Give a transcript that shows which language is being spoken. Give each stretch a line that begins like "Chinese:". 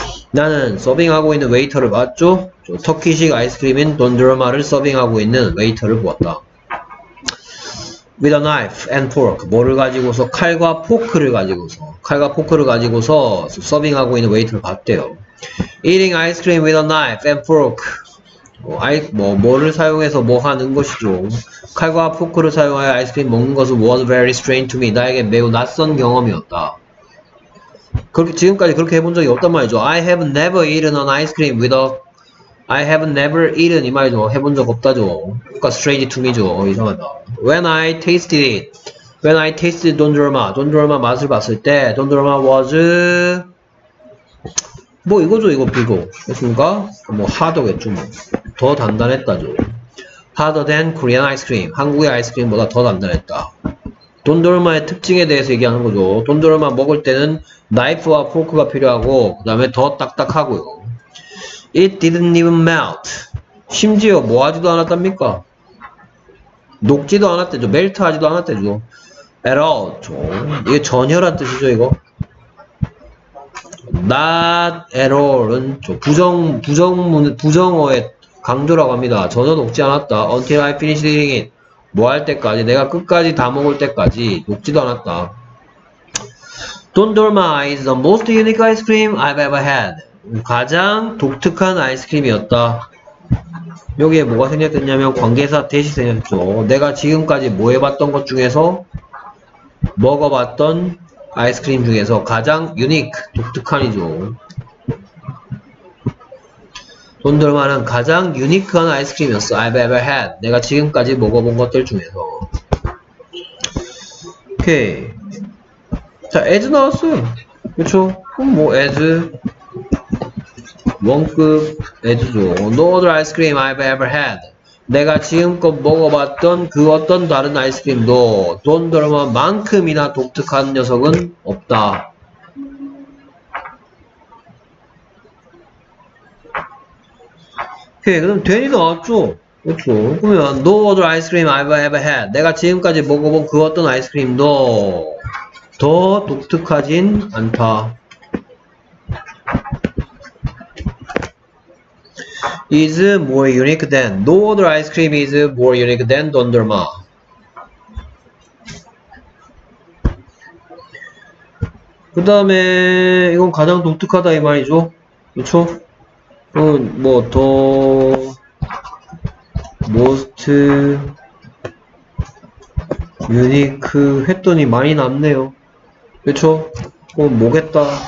Korean: 나는 서빙하고 있는 웨이터를 봤죠? 저 터키식 아이스크림인 돈드라마를 서빙하고 있는 웨이터를 보았다.
English: With a knife and fork.
Korean: 뭐를 가지고서? 칼과 포크를 가지고서. 칼과 포크를 가지고서 서빙하고 있는 웨이터를 봤대요.
English: Eating ice cream with a knife and fork.
Korean: 뭐를 사용해서 뭐 하는 것이죠? 칼과 포크를 사용하여 아이스크림 먹는 것은
English: was very strange to me.
Korean: 나에게 매우 낯선 경험이었다. 그렇게 지금까지 그렇게 해본 적이 없단 말이죠.
English: I have never eaten an ice cream with a. I have never eaten
Korean: 이 말이죠. 해본 적 없다죠. 그러니까
English: strange to me
Korean: 죠. 이상하다.
English: When I tasted it, when I tasted dondurma, dondurma
Korean: 맛을 봤을 때,
English: dondurma was
Korean: 뭐 이거죠. 이거 비고 했습니까? 뭐 하더겠죠. 뭐. 더 단단했다죠.
English: Harder than Korean ice cream.
Korean: 한국의 아이스크림보다 더 단단했다. 돈도르마의 특징에 대해서 얘기하는 거죠. 돈도르마 먹을 때는 나이프와 포크가 필요하고 그 다음에 더 딱딱하고요.
English: It didn't even melt.
Korean: 심지어 뭐 하지도 않았답니까? 녹지도 않았대죠. 멜트하지도 않았대죠.
English: At all.
Korean: 저, 이게 전혀란 뜻이죠 이거. Not at all은 저, 부정어의 강조라고 합니다. 전혀 녹지 않았다.
English: Until I finished eating it.
Korean: 뭐 할 때까지 내가 끝까지 다 먹을 때까지 녹지도 않았다.
English: Dondurma is the most unique ice cream I've ever had.
Korean: 가장 독특한 아이스크림이었다. 여기에 뭐가 생략됐냐면 관계사 대시 생략했죠. 내가 지금까지 뭐 해봤던 것 중에서 먹어봤던 아이스크림 중에서 가장 유니크 독특한이죠. Dondurma는 가장 유니크한 아이스크림이었어.
English: I've ever had.
Korean: 내가 지금까지 먹어본 것들 중에서. 오케이. 자, as 나왔어요. 그쵸? 그럼 뭐 as 원급 as죠.
English: No other ice cream I've ever had.
Korean: 내가 지금껏 먹어봤던 그 어떤 다른 아이스크림도 Dondurma만큼이나 독특한 녀석은 없다. 오케이. 그럼 된이 나왔죠. 그렇죠. 그러면
English: no other ice cream I've ever had.
Korean: 내가 지금까지 먹어본 그 어떤 아이스크림도 더 독특하진 않다.
English: Is more unique than no other ice cream is more unique than Dondurma.
Korean: 그 다음에 이건 가장 독특하다 이 말이죠. 그렇죠. 뭐 the most unique 했더니 많이 남네요. 그쵸? 그럼 뭐겠다.